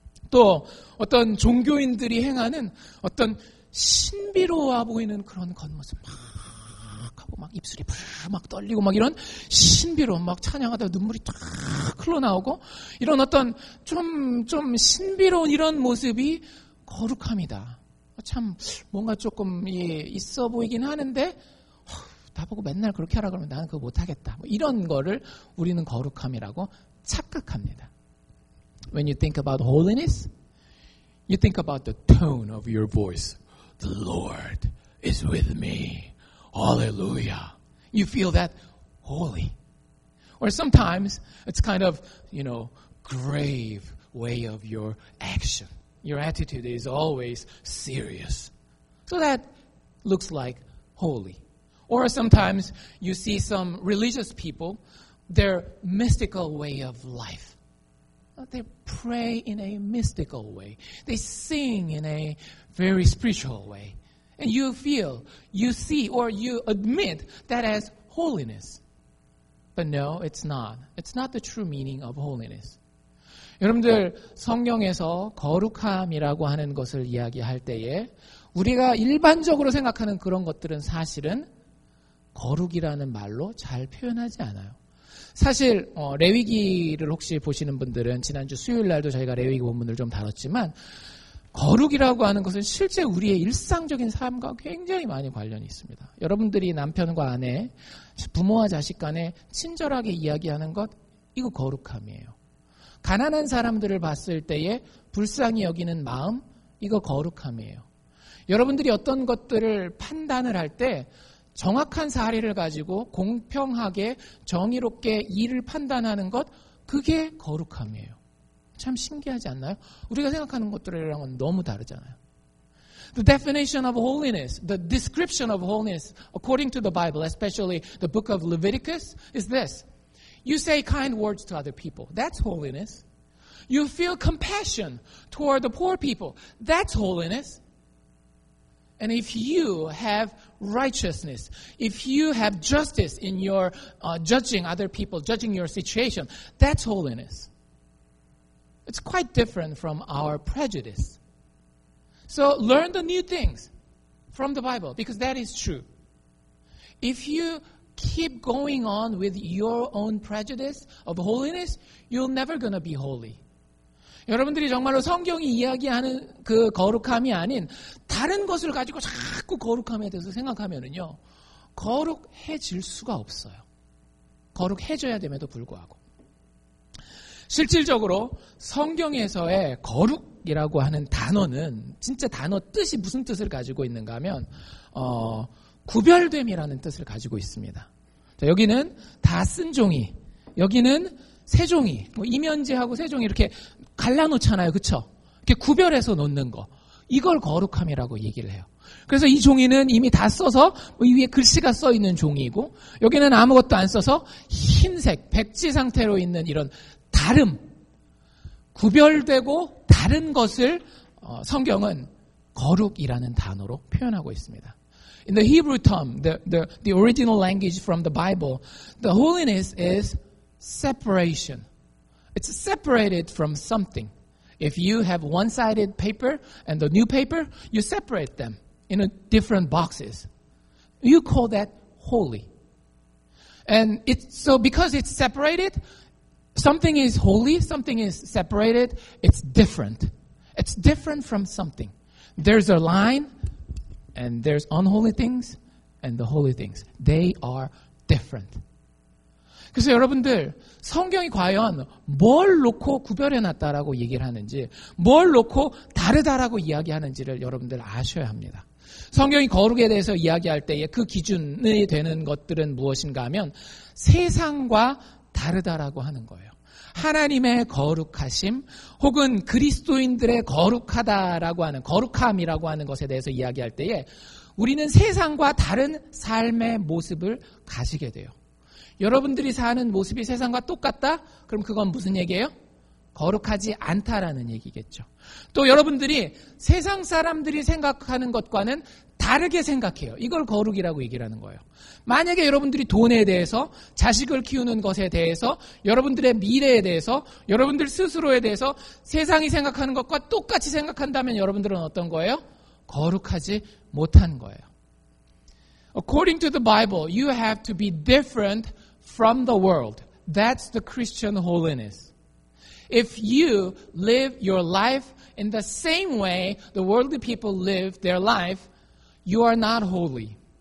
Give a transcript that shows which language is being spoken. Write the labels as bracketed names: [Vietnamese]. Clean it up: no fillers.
[Korean] 또 어떤 종교인들이 행하는 어떤 신비로워 보이는 그런 겉모습 막 하고 막 입술이 막 떨리고 막 이런 신비로 막 찬양하다가 눈물이 탁 흘러나오고 이런 어떤 좀 신비로운 이런 모습이 거룩함이다. 참 뭔가 조금 있어 보이긴 하는데 다 보고 맨날 그렇게 하라 그러면 나는 그거 못하겠다. 뭐 이런 거를 우리는 거룩함이라고 착각합니다. [English] When you think about holiness, you think about the tone of your voice. The Lord is with me. Hallelujah. You feel that holy. Or sometimes it's kind of, you know, grave way of your action. Your attitude is always serious. So that looks like holy. Or sometimes you see some religious people, their mystical way of life. They pray in a mystical way. They sing in a very spiritual way. And you feel, you see, or you admit that as holiness. But no, it's not. It's not the true meaning of holiness. [Korean] 여러분들, 성경에서 거룩함이라고 하는 것을 이야기할 때에 우리가 일반적으로 생각하는 그런 것들은 사실은 거룩이라는 말로 잘 표현하지 않아요. 사실 레위기를 혹시 보시는 분들은 지난주 수요일날도 저희가 레위기 본문을 좀 다뤘지만 거룩이라고 하는 것은 실제 우리의 일상적인 삶과 굉장히 많이 관련이 있습니다. 여러분들이 남편과 아내, 부모와 자식 간에 친절하게 이야기하는 것, 이거 거룩함이에요. 가난한 사람들을 봤을 때에 불쌍히 여기는 마음, 이거 거룩함이에요. 여러분들이 어떤 것들을 판단을 할 때 정확한 사례를 가지고 공평하게 정의롭게 일을 판단하는 것, 그게 거룩함이에요. 참 신기하지 않나요? 우리가 생각하는 것들이랑은 너무 다르잖아요. [English] The definition of holiness, the description of holiness according to the Bible, especially the book of Leviticus, is this. You say kind words to other people. That's holiness. You feel compassion toward the poor people. That's holiness. And if you have righteousness, if you have justice in your judging other people, judging your situation, that's holiness. It's quite different from our prejudice. So learn the new things from the Bible, because that is true. If you keep going on with your own prejudice of holiness, you're never going to be holy. [Korean] 여러분들이 정말로 성경이 이야기하는 그 거룩함이 아닌 다른 것을 가지고 자꾸 거룩함에 대해서 생각하면은요, 거룩해질 수가 없어요. 거룩해져야 됨에도 불구하고. 실질적으로 성경에서의 거룩이라고 하는 단어는 진짜 단어 뜻이 무슨 뜻을 가지고 있는가 하면 구별됨이라는 뜻을 가지고 있습니다. 자, 여기는 다 쓴 종이, 여기는 새 종이, 뭐 이면지하고 새 종이 이렇게 갈라놓잖아요. 그렇죠? 이렇게 구별해서 놓는 거. 이걸 거룩함이라고 얘기를 해요. 그래서 이 종이는 이미 다 써서 뭐 이 위에 글씨가 써 있는 종이고, 여기는 아무것도 안 써서 흰색, 백지 상태로 있는 이런 다름, 구별되고 다른 것을 성경은 거룩이라는 단어로 표현하고 있습니다. [English] In the Hebrew term, the original language from the Bible, the holiness is separation. It's separated from something. If you have one-sided paper and the new paper, you separate them in a different boxes. You call that holy. And so because it's separated, something is holy, something is separated, it's different. It's different from something. There's a line, and there's unholy things, and the holy things. They are different. [Korean] 그래서 여러분들, 성경이 과연 뭘 놓고 구별해놨다라고 얘기를 하는지, 뭘 놓고 다르다라고 이야기하는지를 여러분들 아셔야 합니다. 성경이 거룩에 대해서 이야기할 때에 그 기준이 되는 것들은 무엇인가 하면 세상과 다르다라고 하는 거예요. 하나님의 거룩하심 혹은 그리스도인들의 거룩하다라고 하는 거룩함이라고 하는 것에 대해서 이야기할 때에 우리는 세상과 다른 삶의 모습을 가지게 돼요. 여러분들이 사는 모습이 세상과 똑같다? 그럼 그건 무슨 얘기예요? 거룩하지 않다라는 얘기겠죠. 또 여러분들이 세상 사람들이 생각하는 것과는 다르게 생각해요. 이걸 거룩이라고 얘기를 하는 거예요. 만약에 여러분들이 돈에 대해서, 자식을 키우는 것에 대해서, 여러분들의 미래에 대해서, 여러분들 스스로에 대해서 세상이 생각하는 것과 똑같이 생각한다면 여러분들은 어떤 거예요? 거룩하지 못한 거예요. [English] According to the Bible, you have to be different from the world. That's the Christian holiness. If you live your life in the same way the worldly people live their life, you are not holy.